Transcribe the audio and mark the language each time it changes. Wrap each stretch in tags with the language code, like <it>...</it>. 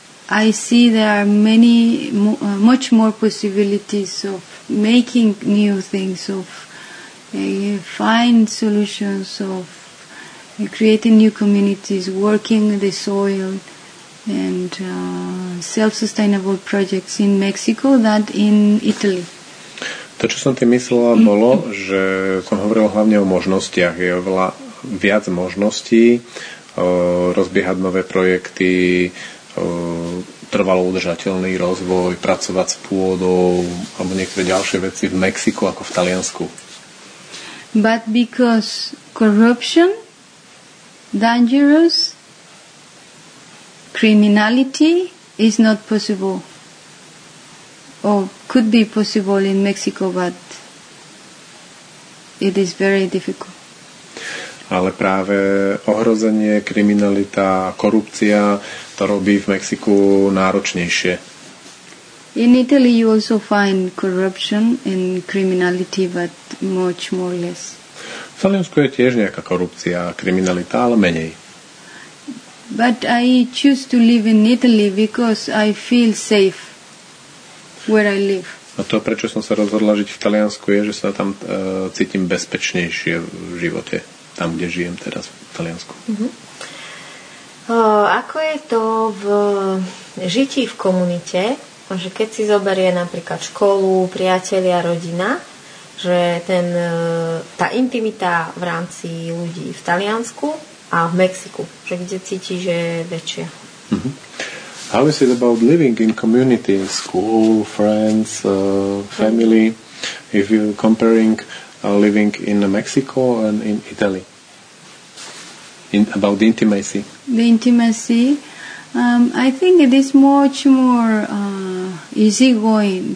<en>I see there are many, much more possibilities of making new things, of find solutions, of creating new communities, working the soil, and self-sustainable projects in Mexico than in Italy.</en> <sk>To, čo som tým myslela, bolo, že som hovoril hlavne o možnostiach. Je oveľa viac možností rozbiehať nové projekty, trvalo udržateľný rozvoj, pracovať s pôdou alebo niektoré ďalšie veci v Mexiku ako v Taliansku.</sk> <en>But because corruption, dangerous criminality is not possible or could be possible in Mexico, but it is very difficult.</en> <sk>Ale práve ohrozenie, kriminalita, korupcia to robí v Mexiku náročnejšie.</sk> <en>In Italy you also find corruption and criminality, but much more less.</en> <sk>V Taliansku je tiež nejaká korupcia, kriminalita, ale menej.</sk> <en>But I choose to live in Italy because I feel safe where I live.</en> <sk>A to, prečo som sa rozhodla žiť v Taliansku, je, že sa tam cítim bezpečnejšie v živote, tam, kde žijem teraz v Taliansku. Uh-huh. Ako je to v žití v komunite? Že keď si zoberie napríklad školu, priatelia, rodina, že ten, tá intimita v rámci ľudí v Taliansku a v Mexiku, že kde cíti, že je väčšia. Mm-hmm.</sk> <en>How is it about living in community, school, friends, family? Mm-hmm. If you're comparing living in Mexico and in Italy. In about the intimacy. The intimacy, I think it is much more easygoing.</en>